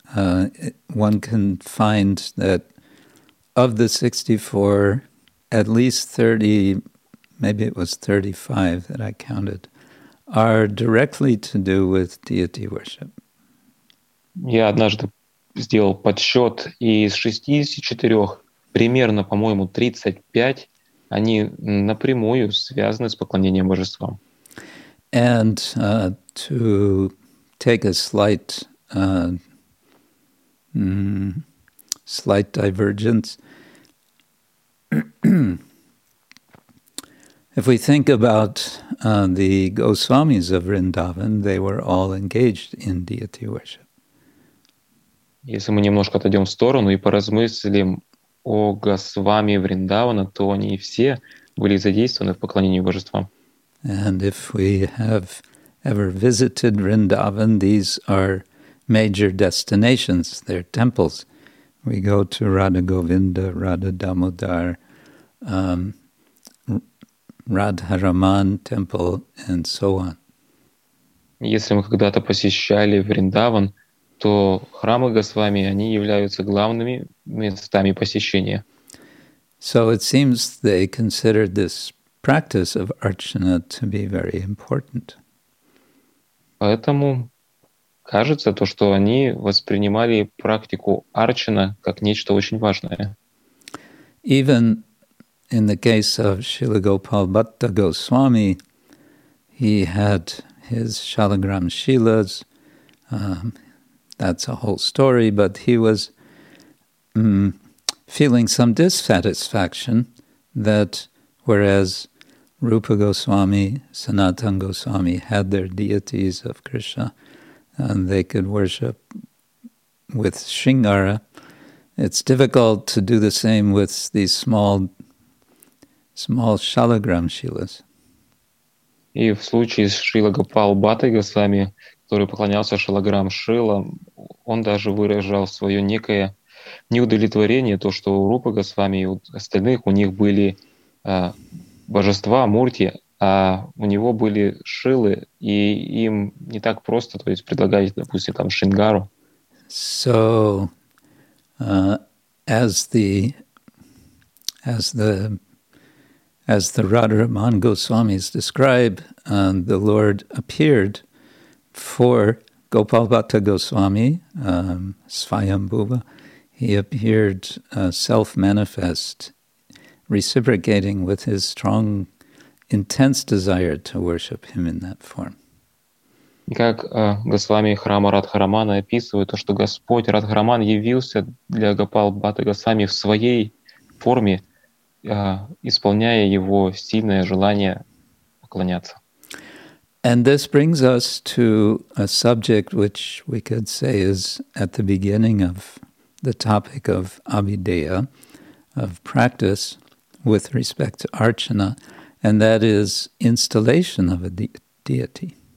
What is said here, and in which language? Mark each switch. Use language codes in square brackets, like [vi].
[en] One can find that of the 64, at least 30, maybe it was 35 that I counted, are directly to do with deity worship. [ru] Я однажды сделал подсчет, и из 64 примерно, по-моему, 35 они напрямую связаны с поклонением божествам. [en] And to take a slight slight divergence, if we think about the Goswamis of Vrindavan, they were all engaged in deity worship. [ru] Если мы немножко отойдем в сторону и поразмыслим о Госвами Вриндавана, то они все были задействованы в поклонении божествам. [en] And if we have ever visited Vrindavan, these are major destinations, they're temples. We go to Radha Govinda, Radha Damodar, Radharaman temple and so on. [ru] Если мы когда-то посещали Вриндаван, то храмы Госвами, они являются главными местами посещения. [en] So it seems they considered this practice of Archana to be very important. [ru] Поэтому кажется то, что они воспринимали практику Арчана как нечто очень важное. [en] Even in the case of Srila Gopal Bhatta Goswami, he had his Shalagram Shilas. That's a whole story, but he was feeling some dissatisfaction that whereas Rupa Goswami, Sanatana Goswami had their deities of Krishna, and they could worship with Shringara. It's difficult to do the same with these small Shalagram Shilas. [ru] И в случае с Шрила Гопал Бхатой Госвами, который поклонялся Шалаграм Шрила, он даже выражал свое некое неудовлетворение, то, что у Рупы Госвами и у остальных, у них были божества, мурти, а у него были шилы, и им не так просто, то есть предлагать, допустим, там Шингару. [en] So, as the Radharaman Goswamis describe, and the Lord appeared for Gopal Bhatta Goswami, Svayambhuva, he appeared self-manifest, reciprocating with his strong, intense desire to worship him in that form. [ru] Как Госвами храма Радхарамана описывает то, что Господь Радхараман явился для Гопал Бхатты Госвами в своей форме, исполняя его сильное желание поклоняться. [en] And this brings us to a subject which we could say is at the beginning of the topic of Abhideya, of practice with respect to Archana, and that is installation of a deity.